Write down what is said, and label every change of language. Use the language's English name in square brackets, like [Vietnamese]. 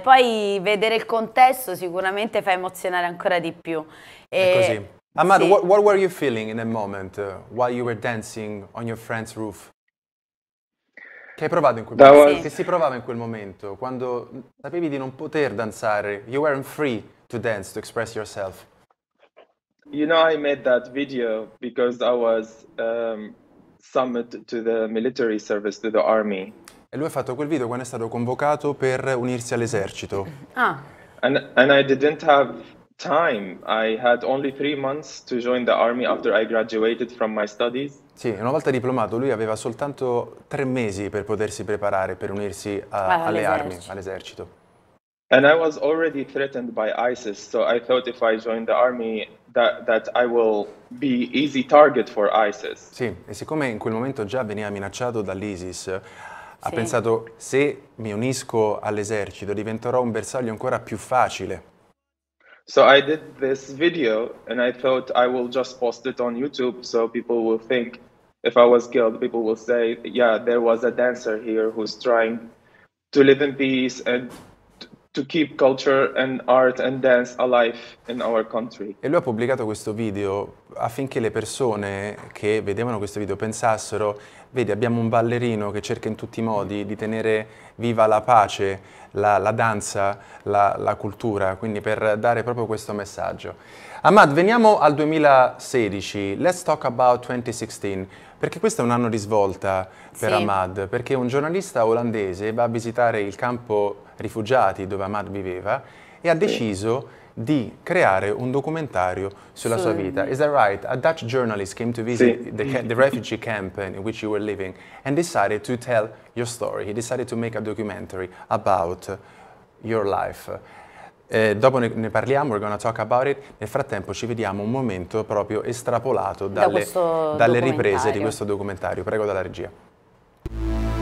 [Italian] Poi vedere il contesto sicuramente fa emozionare ancora di più. E è così. Ahmad, sì. [English] What were you feeling in that moment while you were dancing on your friend's roof? [Italian] Che hai provato in quel momento? [English] Was... [Italian] Che si provava in quel momento quando sapevi di non poter danzare? [English] You weren't free to dance, to express yourself. You know, I made that video because I was summoned to the military service, to the army. [Italian] E lui ha fatto quel video quando è stato convocato per unirsi all'esercito. Ah. [English] And I didn't have time. I had only 3 months to join the army after I graduated from my studies. [Italian] Sì, una volta diplomato, lui aveva soltanto 3 mesi per potersi preparare per unirsi all'esercito. [English] And I was already threatened by ISIS, so I thought if I joined the army that I will be easy target for ISIS. [Italian] Sì, e siccome in quel momento già veniva minacciato dall'ISIS, ha pensato se mi unisco all'esercito diventerò un bersaglio ancora più facile. [English] So I did this video and I thought I will just post it on YouTube so people will think if I was killed people will say yeah there was a dancer here who's trying to live in peace and to keep culture and art and dance alive in our country. [Italian] E lui ha pubblicato questo video affinché le persone che vedevano questo video pensassero: vedi, abbiamo un ballerino che cerca in tutti i modi di tenere viva la pace, la danza, la cultura, quindi per dare proprio questo messaggio. Ahmad, veniamo al 2016, [English] let's talk about 2016, [Italian] perché questo è un anno di svolta per Ahmad, perché un giornalista olandese va a visitare il campo rifugiati dove Ahmad viveva e ha deciso di creare un documentario sulla sua vita. [English] Is that right? A Dutch journalist came to visit the refugee camp in which you were living and decided to tell your story. He decided to make a documentary about your life. [Italian] Dopo ne parliamo, [English] we're gonna talk about it. [Italian] Nel frattempo ci vediamo un momento proprio estrapolato dalle riprese di questo documentario. Prego dalla regia.